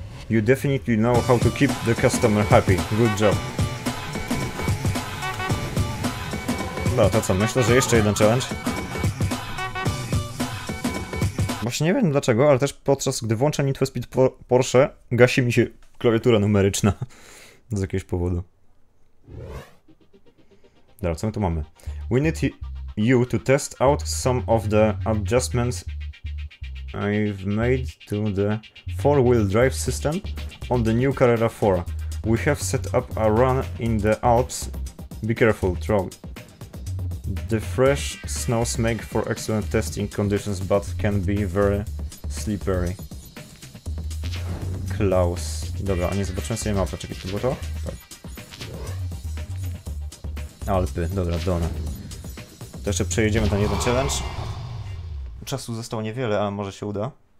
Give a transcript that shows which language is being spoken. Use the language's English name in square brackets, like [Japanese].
[English] You definitely know how to keep the customer happy. Good job. [Polish] No, to co, myślę, że jeszcze jeden challenge. Właśnie nie wiem dlaczego, ale też podczas gdy włączę Need for Speed Porsche, gasi mi się klawiatura numeryczna z jakiegoś powodu. Dobra, co my tu mamy? [English] We need you to test out some of the adjustments I've made to the four-wheel drive system on the new Carrera 4. We have set up a run in the Alps. Be careful, troll. The fresh snows make for excellent testing conditions, but can be very slippery. Klaus. [Polish] Dobra, a nie zobaczyłem sobie mapę. Czekaj, to było to? Tak. Alpy, dobra, Donę. To jeszcze przejedziemy ten jeden challenge. Czasu zostało niewiele, ale może się uda.